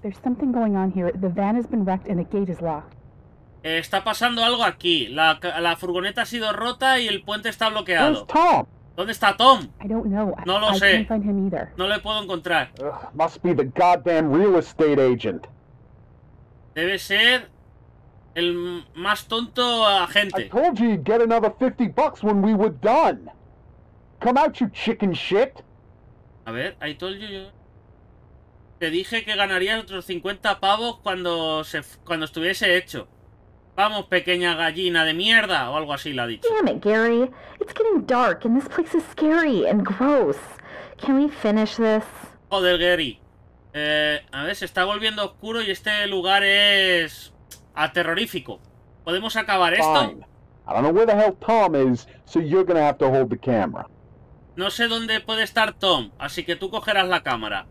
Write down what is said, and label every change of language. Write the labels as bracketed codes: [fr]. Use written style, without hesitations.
[en] There's something going on here. The van has been wrecked and the gate is locked. [es] Está pasando algo aquí. La furgoneta ha sido rota y el puente está bloqueado. [en] Where's Tom? [es] ¿Dónde está Tom? [en] I don't know. [es] No lo [en] I [es] sé. [en] Can't find him either. [es] No le puedo encontrar. [en] Must be the goddamn real estate agent. [es] Debe ser el más tonto agente. [en] I told you you'd get another 50 bucks when we were done. Come out, you chicken shit. [es] A ver, [en] I told you. [es] Te dije que ganarías otros 50 pavos cuando estuviese hecho. Vamos, pequeña gallina de mierda, o algo así la ha dicho. [en] Damn it, Gary. It's getting dark and this place is scary and gross. Can we finish this? [es] Joder, Gary. A ver, se está volviendo oscuro y este lugar es aterrorífico. ¿Podemos acabar esto? [en] Fine. I don't know where the hell Tom is, so you're gonna have to hold the camera. [es] No sé dónde puede estar Tom, así que tú cogerás la cámara.